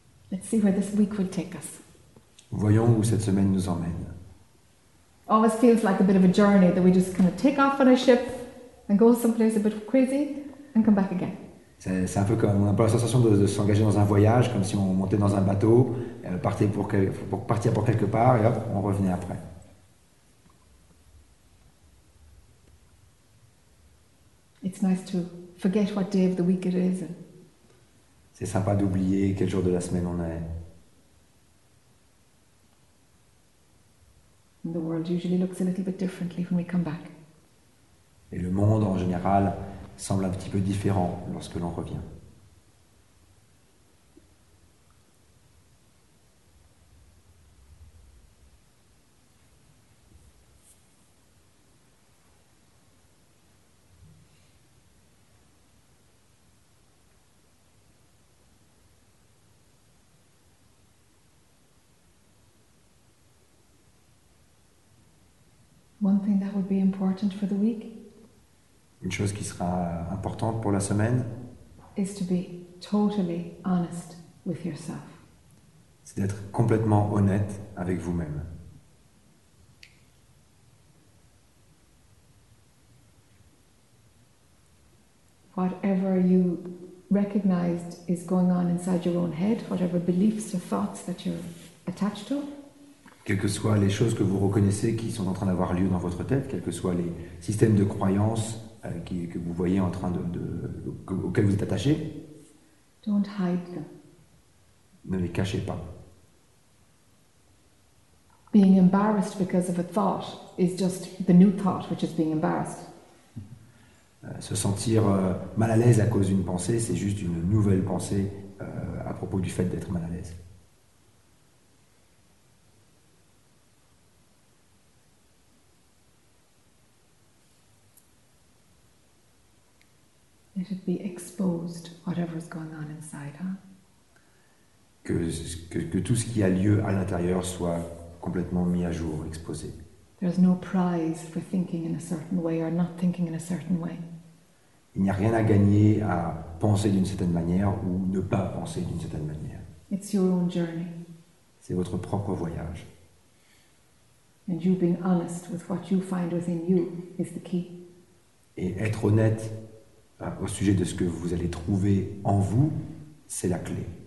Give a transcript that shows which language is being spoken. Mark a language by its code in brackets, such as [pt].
[en] Let's see where this week will take us. [fr] Voyons où cette semaine nous emmène. [en] Always feels like a bit of a journey that we just kind of take off on a ship and go someplace a bit crazy and come back again. [fr] C'est un peu comme on a la sensation de s'engager dans un voyage, comme si on montait dans un bateau, partir pour quelque part et hop, on revenait après. [en] It's nice to forget what day of the week it is. [fr] C'est sympa d'oublier quel jour de la semaine on est. [en] The world usually looks a little bit differently when we come back. [fr] Et le monde en général semble un petit peu différent lorsque l'on revient. [en] One thing that would be important for the week. [fr] Une chose qui sera importante pour la semaine, [en] is to be totally honest with yourself. [fr] C'est d'être complètement honnête avec vous-même. [en] Whatever you recognized is going on inside your own head, whatever beliefs or thoughts that you're attached to. [fr] Quelles que soient les choses que vous reconnaissez qui sont en train d'avoir lieu dans votre tête, quels que soient les systèmes de croyances que vous voyez en train auxquels vous êtes attaché, [en] don't hide them. [fr] Ne les cachez pas. [en] Being embarrassed because of a thought is just the new thought which is being embarrassed. [fr] Se sentir mal à l'aise à cause d'une pensée, c'est juste une nouvelle pensée à propos du fait d'être mal à l'aise. [en] Let it be exposed, whatever's going on inside, huh? [fr] Que tout ce qui a lieu à l'intérieur soit complètement mis à jour, exposé. [en] There's no prize for thinking in a certain way or not thinking in a certain way. [fr] Il n'y a rien à gagner à penser d'une certaine manière ou ne pas penser d'une certaine manière. [en] It's your own journey. [fr] C'est votre propre voyage. [en] And you being honest with what you find within you is the key. [fr] Et être honnête au sujet de ce que vous allez trouver en vous, c'est la clé.